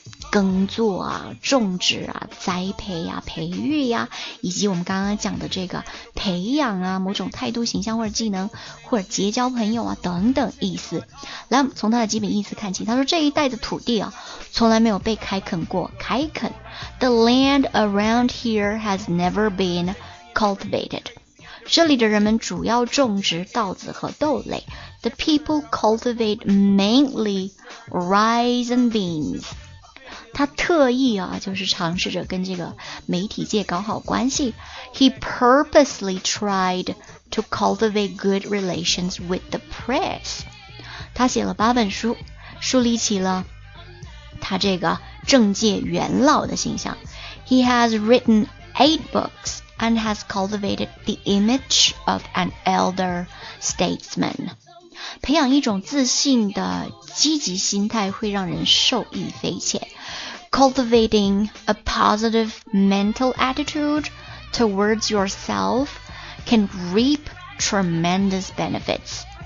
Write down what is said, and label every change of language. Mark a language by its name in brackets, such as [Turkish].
[Chinese] 耕作啊、种植啊、栽培啊、培育呀、啊、以及我们刚刚讲的这个培养啊某种态度、形象或者技能，或者结交朋友啊等等意思。来，从它的基本意思看起。他说这一带的土地啊从来没有被开垦过。 [English] 开垦 The land around here has never been cultivated. [Chinese] 这里的人们主要种植稻子和豆类。 [English] The people cultivate mainly rice and beans. [Chinese] 他特意啊就是尝试着跟这个媒体界搞好关系。 [English] He purposely tried to cultivate good relations with the press. [Chinese] 他写了八本书，树立起了他这个政界元老的形象。 [English] He has written 8 books and has cultivated the image of an elder statesman. [Chinese] 培养一种自信的积极心态会让人受益匪浅。 [English] Cultivating a positive mental attitude towards yourself can reap tremendous benefits.